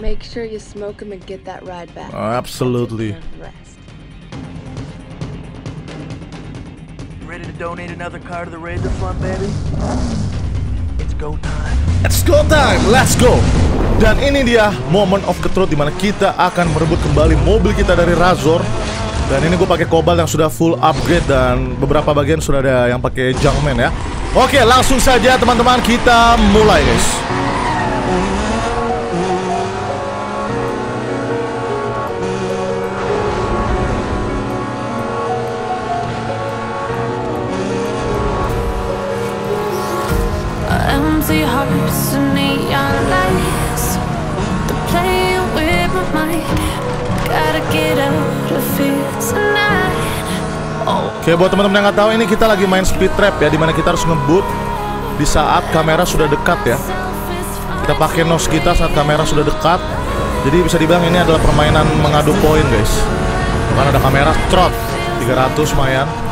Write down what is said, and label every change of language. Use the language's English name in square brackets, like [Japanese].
[English] Make sure you smoke him and get that ride back. Oh, absolutely. Ready to donate another car to the Razor Fund, baby? It's go time. It's go time. Let's go. [Indonesian] Dan ini dia [English] moment of the truth, [Indonesian] dimana kita akan merebut kembali mobil kita dari Razor. Dan ini gue pakai Cobalt yang sudah full upgrade dan beberapa bagian sudah ada yang pakai Junkman ya. Oke, langsung saja teman-teman, kita mulai guys. [English] Empty hearts and neon lights, they're playing with my mind. Gotta get out of here tonight. [Indonesian] Oke, buat teman-teman yang nggak tahu, ini kita lagi main speed trap ya, dimana kita harus ngeboot di saat kamera sudah dekat ya. Kita pakai nose kita saat kamera sudah dekat. Jadi bisa dibilang ini adalah permainan mengadu poin guys, karena ada kamera trot 300 lumayan.